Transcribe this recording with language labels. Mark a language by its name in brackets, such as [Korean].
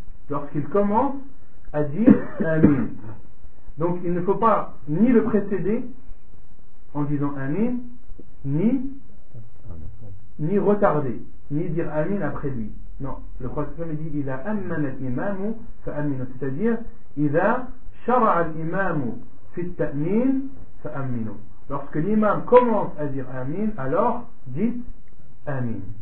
[French] Lorsqu'il commence à dire Amin. Donc, il ne faut pas ni le précéder en disant Amin, ni retarder, ni dire Amin après lui. Non, le prophète dit [Arabic] Iza ammana l'imam fa aminu. [French] C'est-à-dire [Arabic] Iza شرع الإمام في التأمين فأمنوا. [French] Lorsque l'imam commence à dire Amin, alors dites Amin.